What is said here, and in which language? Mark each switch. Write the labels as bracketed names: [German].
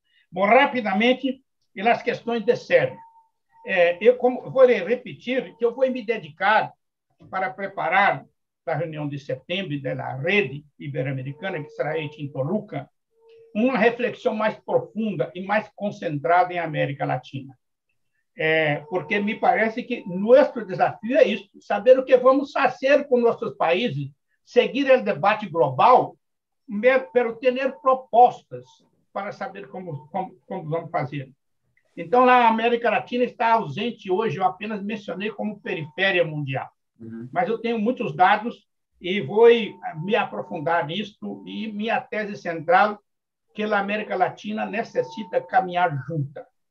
[Portuguese] Bom, rapidamente, e nas questões de Sérgio. Vou repetir que eu vou me dedicar para preparar da reunião de setembro da rede ibero-americana, que será hecha em Toluca, uma reflexão mais profunda e mais concentrada em América Latina. Porque me parece que nosso desafio é isso, saber o que vamos fazer com nossos países, seguir o debate global [Spanish] pero tener propuestas para saber cómo vamos a hacer. [Portuguese] Então, a América Latina está ausente hoje, eu apenas mencionei como periferia mundial. Mas eu tenho muitos dados e vou me aprofundar nisso e minha tese central que a América Latina necessita caminhar junta.